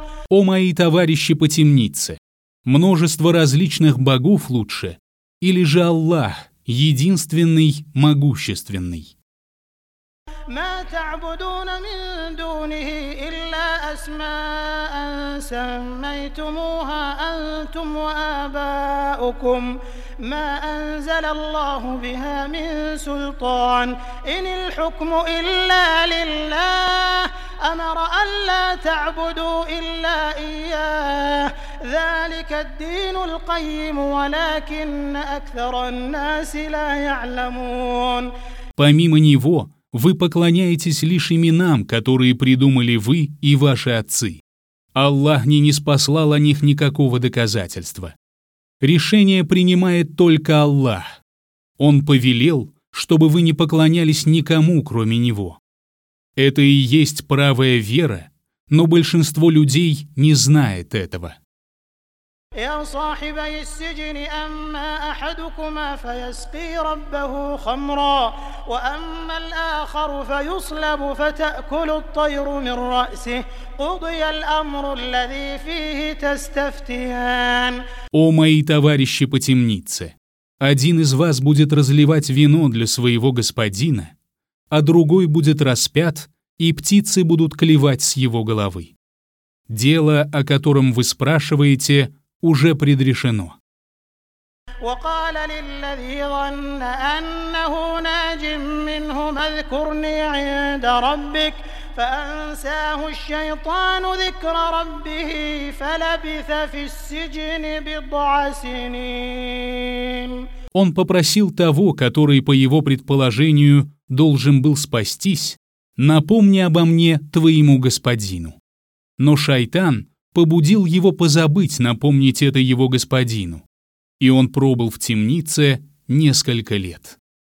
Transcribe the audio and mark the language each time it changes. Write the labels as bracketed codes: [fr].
[ru] О мои товарищи по темнице, множество различных богов лучше, или же Аллах, единственный, могущественный? [ar] ما تعبدون من دونه إلا أسماء سميتموها أنتم وآباؤكم ما أنزل الله بها من سلطان إن الحكم إلا لله أمر ألا تعبدوا إلا إياه ذلك الدين القيم ولكن أكثر الناس لا يعلمون. [ru] Помимо него вы поклоняетесь лишь именам, которые придумали вы и ваши отцы. Аллах не ниспослал о них никакого доказательства. Решение принимает только Аллах. Он повелел, чтобы вы не поклонялись никому, кроме Него. Это и есть правая вера, но большинство людей не знает этого. [ar] يا صاحبي السجن أما أحدكما فيسقي ربه خمرا وأما الآخر فيصلب فتأكل الطير من رأسه قضي الأمر الذي فيه تستفتيان. [ru] О мои товарищи по темнице, один из вас будет разливать вино для своего господина, а другой будет распят, и птицы будут клевать с его головы. Дело, о котором вы спрашиваете, уже предрешено. [ar] وقال للذي ظن أنه ناج منهما اذكرني عند ربك فأنساه الشيطان ذكر ربه فلبث في السجن بضع سنين. [ru] Он попросил того, который, по его предположению, должен был спастись: «Напомни обо мне твоему господину». но шайтан побудил его позабыть напомнить это его господину. И он пробыл в темнице несколько лет.